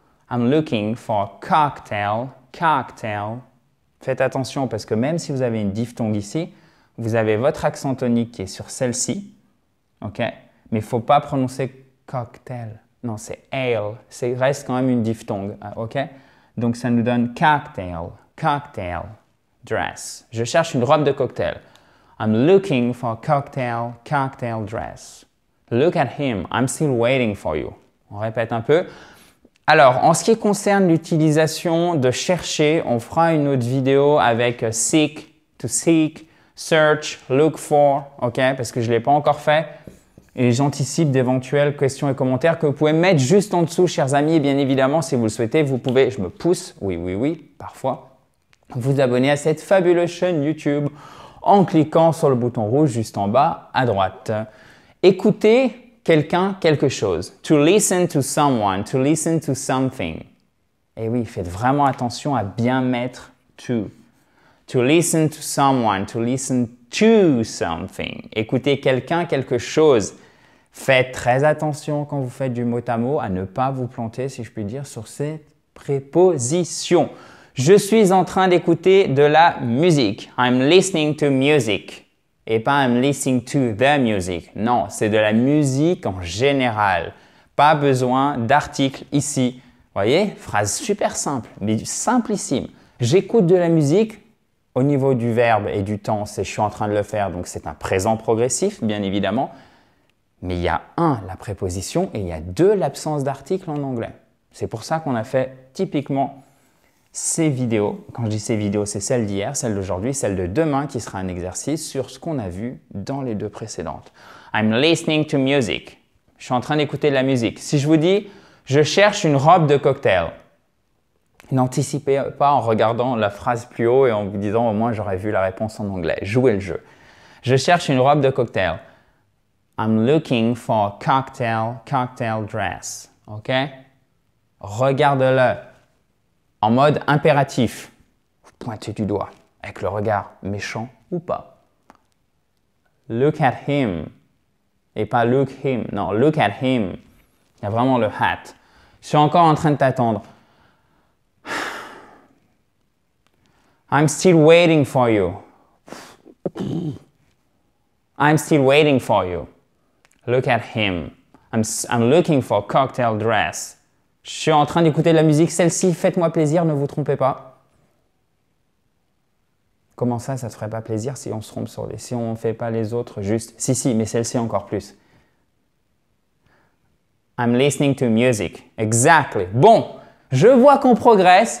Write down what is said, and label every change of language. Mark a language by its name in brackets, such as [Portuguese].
[English] I'm looking for a cocktail. Cocktail. [French] Faites attention parce que même si vous avez une diphtongue ici, vous avez votre accent tonique qui est sur celle-ci. OK? Mais il ne faut pas prononcer cocktail. Non, c'est ale. C'est reste quand même une diphtongue. OK? Donc, ça nous donne cocktail. [English] Cocktail dress. [French] Je cherche une robe de cocktail. [English] I'm looking for a cocktail dress. Look at him. I'm still waiting for you. [French] On répète un peu. Alors, en ce qui concerne l'utilisation de chercher, on fera une autre vidéo avec [English] seek, to seek, search, look for. [French] OK, parce que je ne l'ai pas encore fait. Et j'anticipe d'éventuelles questions et commentaires que vous pouvez mettre juste en dessous, chers amis. Et bien évidemment, si vous le souhaitez, vous pouvez, je me pousse, oui, parfois, vous abonner à cette fabuleuse chaîne YouTube en cliquant sur le bouton rouge juste en bas à droite. Écoutez quelqu'un, quelque chose. [English] To listen to someone, to listen to something. [French] Et oui, faites vraiment attention à bien mettre to. [English] To listen to someone, to listen to something. [French] Écoutez quelqu'un, quelque chose. Faites très attention quand vous faites du mot à mot à ne pas vous planter, si je puis dire, sur cette préposition. Je suis en train d'écouter de la musique. [English] I'm listening to music. [French] Et pas [English] I'm listening to the music. [French] Non, c'est de la musique en général. Pas besoin d'article ici. Voyez, phrase super simple, mais simplissime. J'écoute de la musique au niveau du verbe et du temps, c'est je suis en train de le faire, donc c'est un présent progressif, bien évidemment. Mais il y a un, la préposition, et il y a deux, l'absence d'article en anglais. C'est pour ça qu'on a fait typiquement ces vidéos. Quand je dis ces vidéos, c'est celle d'hier, celle d'aujourd'hui, celle de demain qui sera un exercice sur ce qu'on a vu dans les deux précédentes. [English] I'm listening to music. [French] Je suis en train d'écouter de la musique. Si je vous dis, je cherche une robe de cocktail. N'anticipez pas en regardant la phrase plus haut et en vous disant, au moins j'aurais vu la réponse en anglais. Jouez le jeu. Je cherche une robe de cocktail. [English] I'm looking for a cocktail dress. [French] OK? Regarde-le. En mode impératif. Vous pointez du doigt avec le regard méchant ou pas. [English] Look at him. [French] Et pas [English] look him. Non, look at him. [French] Il y a vraiment le hat. Je suis encore en train de t'attendre. [English] I'm still waiting for you. I'm still waiting for you. Look at him. I'm looking for cocktail dress. [French] Je suis en train d'écouter de la musique. Celle-ci, faites-moi plaisir, ne vous trompez pas. Comment ça, ça ne te ferait pas plaisir si on se trompe sur les... Si on ne fait pas les autres, juste... Si, si, mais celle-ci encore plus. [English] I'm listening to music. Exactly. [French] Bon, je vois qu'on progresse.